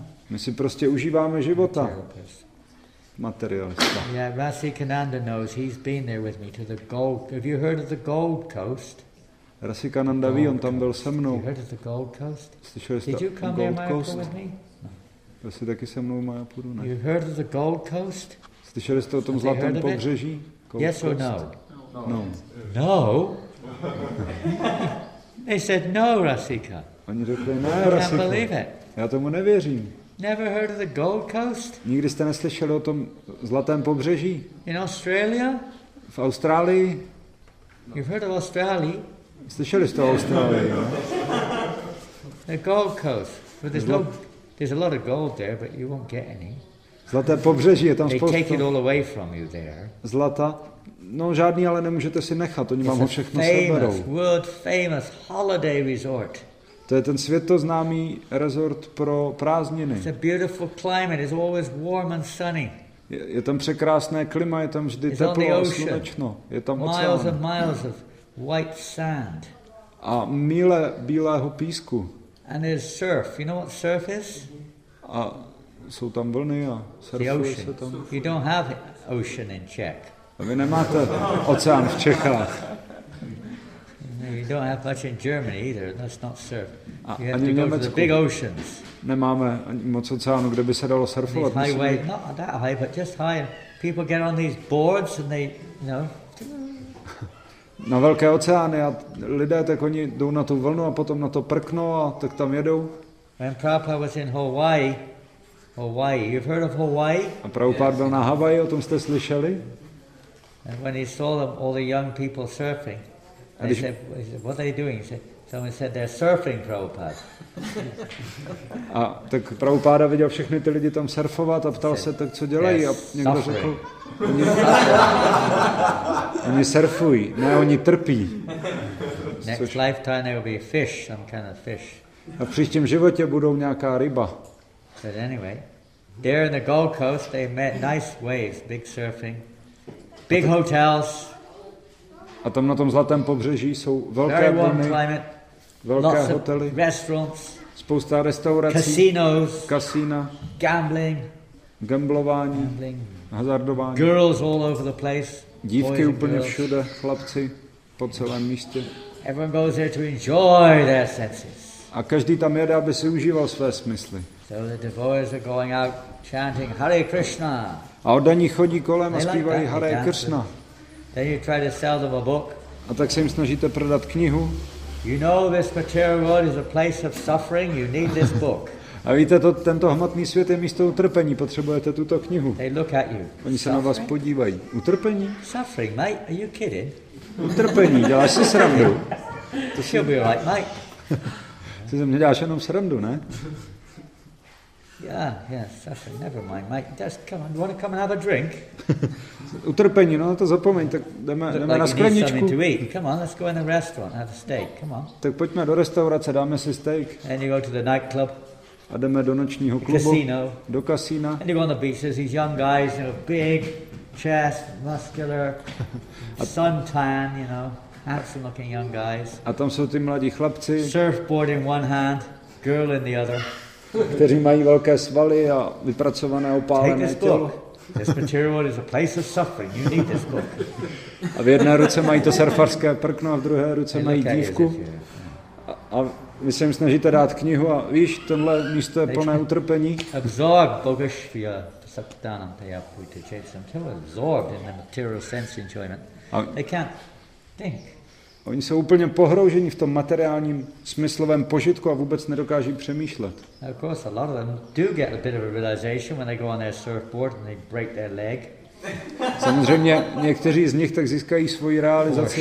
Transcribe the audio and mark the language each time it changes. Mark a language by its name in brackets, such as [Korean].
[Czech] My si prostě užíváme života. Materialista. [English] Yeah, Rasi Kananda knows, he's been there with me to the Gold Coast. Have you heard of the Gold Coast? [Czech] Rasi Kananda ví, on tam byl se mnou. [English] Have you heard of the Gold Coast? [Czech] Slyšeli jste o Gold Coast? Jsi taky se mnou Mayapuru, ne? [English] You heard of the Gold Coast? [Czech] Slyšeli jste o tom zlatém pobřeží? [English] Yes or no? No. No? They said no, Rasika. [Czech] Oni řekli ne, Rasika. [English] I can't believe it. [Czech] Já tomu nevěřím. [English] Never heard of the Gold Coast? [Czech] Nikdy jste neslyšeli o tom zlatém pobřeží? [English] In Australia? [Czech] V Austrálii? [English] No. You've heard of Australia? [Czech] Slyšeli jste o Austrálii, ne? [English] The Gold Coast. But there's no... There's a lot of gold there, but you won't get any. [Czech] Zlaté pobřeží je tam spoustu. [English] They take it all away from you there. [Czech] Zlata? No žádný, ale nemůžete si nechat, oni vám ho všechno seberou. [English] It's a world famous holiday resort. [Czech] To je ten světoznámý resort pro prázdniny. [English] It's a beautiful climate, it's always warm and sunny. [Czech] Je tam překrásné klima, je tam vždy [English] it's [Czech] teplo a slunečno. Je tam oceán. [English] Miles and miles of white sand. [Czech] A míle bílého písku. [English] And there's surf. You know what surf is? [Czech] A jsou tam vlny a surfuje se tam. [English] You don't have ocean in Czech. [Czech] A vy nemáte oceán v Čechách. [English] You don't have much in Germany either. That's not surf. You have to go to the big oceans. [Czech] Nemáme ani moc oceánu, kde by se dalo surfovat. [English] And high wave, not that high, but just high. People get on these boards and they, you know. [Czech] Na velké oceány a lidé, tak oni jdou na tu vlnu a potom na to prknou a tak tam jedou. [English] When Prabhupada was in Hawaii, you've heard of Hawaii? [Czech] A Prabhupada yes. Byl na Havaji, o tom jste slyšeli? [English] And when he saw them, all the young people surfing, he said, what are they doing? Someone said, they're surfing, Prabhupada. [Czech] A tak Prabhupada viděl všechny ty lidi tam surfovat a ptal se, tak co dělají? [English] Yes, [Czech] a někdo [English] suffering. [Czech] Řekl, oni surfují, ne, oni trpí. Next což... [English] lifetime there will be fish, some kind of fish. [Czech] A v příštím životě budou nějaká ryba. [English] But anyway, there in the Gold Coast, they met nice waves, big surfing, big hotels. [Czech] A tam na tom zlatém pobřeží jsou velké vlny, velké hotely, spousta restaurací, [English] casinos, [Czech] kasína, [English] gambling, [Czech] gamblování, gambling, hazardování, [English] girls all over the place, [Czech] dívky úplně všude, chlapci po celém místě. [English] Everyone goes there to enjoy their senses. [Czech] A každý tam jede, aby si užíval své smysly. [English] So the devotees are going out chanting Hare Krishna. [Czech] A oddaní chodí kolem a zpívají Hare Krishna. [English] Then you try to sell them a book. [Czech] A tak se jim snažíte prodat knihu. [English] You know this material world is a place of suffering. You need this book. [Czech] A víte, to, tento hmatný svět je místo utrpení. Potřebujete tuto knihu. [English] They look at you. [Czech] Oni suffering? Se na vás podívají. Utrpení? [English] Suffering, mate. Are you kidding? [Czech] Utrpení. Děláš si srandu. [English] To si be right, mate. [Czech] Ty se mě děláš jenom srandu, ne? [English] Yeah, suffering. Never mind, mate. Just come on. You want to come and have a drink? [Czech] Utrpení, no, to zapomeň. Tak jdeme na skleničku. [English] Come on, let's go in the restaurant, have a steak. Come on. [Czech] Tak pojďme do restaurace, dáme si steak. [English] And you go to the nightclub. [Czech] A jdeme do nočního klubu. [English] Casino. [Czech] Do kasína. [English] And you go on the beach. There's these young guys, you know, big chest, muscular, suntan, you know, handsome-looking young guys. [Czech] A tam jsou ty mladí chlapci. [English] Surfboard in one hand, girl in the other. [Czech] Kteří mají velké svaly a vypracované opálené tělo. [English] This material is a place of suffering. You need this book. [Czech] A v jedné ruce mají to surfarské prkno a v druhé ruce mají dívku. A vy se jim snažíte dát knihu a víš, tohle místo je plné utrpení. Absorb Bogashvya Saptanam Payapuita Chetsam. [English] They're absorbed in the material sense enjoyment. They can't think. [Czech] Oni jsou úplně pohrouženi v tom materiálním smyslovém požitku a vůbec nedokáží přemýšlet. [English] Of course, a lot of them do get a bit of a realization when they go on their surfboard and they break their leg. [Czech] Samozřejmě, někteří z nich tak získají svoji realizaci.